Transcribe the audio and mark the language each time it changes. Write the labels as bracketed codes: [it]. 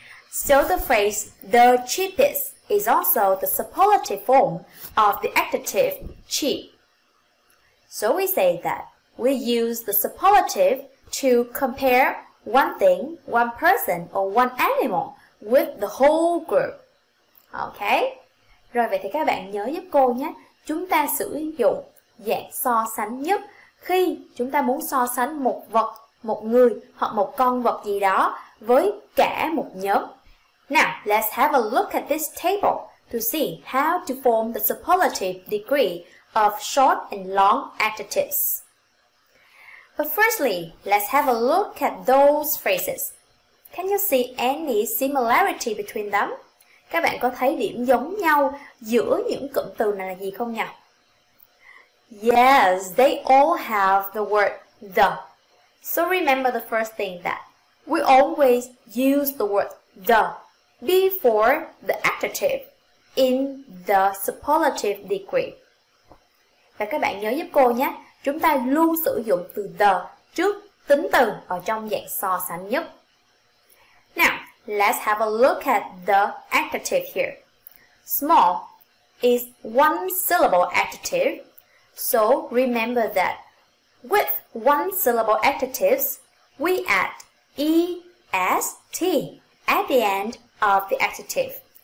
[en] So the phrase the cheapest is also the superlative form of the adjective cheap. So we say that we use the superlative to compare one thing, one person, or one animal with the whole group. Okay? [vi] Rồi vậy thì các bạn nhớ giúp cô nhé. Chúng ta sử dụng dạng so sánh nhất khi chúng ta muốn so sánh một vật, một người hoặc một con vật gì đó với cả một nhóm. [en] Now, let's have a look at this table to see how to form the superlative degree of short and long adjectives. But firstly, let's have a look at those phrases. Can you see any similarity between them? [vi] Các bạn có thấy điểm giống nhau giữa những cụm từ này là gì không nhỉ? [en] Yes, they all have the word the. So remember the first thing that we always use the word the before the adjective in the superlative degree. [vi] Và các bạn nhớ giúp cô nhé, chúng ta luôn sử dụng từ the trước tính từ ở trong dạng so sánh nhất. [en] Now, let's have a look at the adjective here. Small is one syllable adjective. So remember that with one syllable adjectives, we add E-S-T at the end of the adjective.